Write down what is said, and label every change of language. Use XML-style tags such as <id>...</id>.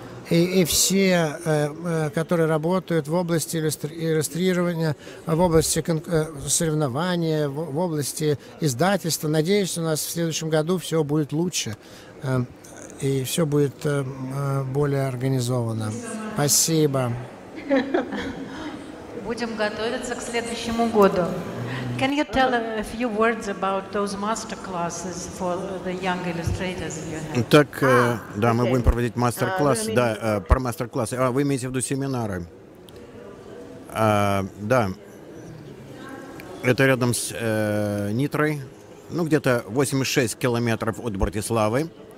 <ru>И все, которые работают в области иллюстрирования, в области соревнования, в области издательства, надеюсь, у нас в следующем году все будет лучше. И все будет более организовано. Спасибо. Будем готовиться к следующему году.</ru> <en>Can you tell a few words about those masterclasses for the young illustrators you have?</en> <ru>Так, да, мы будем проводить мастер-классы, да, про мастер-классы. А вы имеете в виду семинары? Да. Это рядом с Нитрой, ну где-то 86 километров от Братиславы.</ru>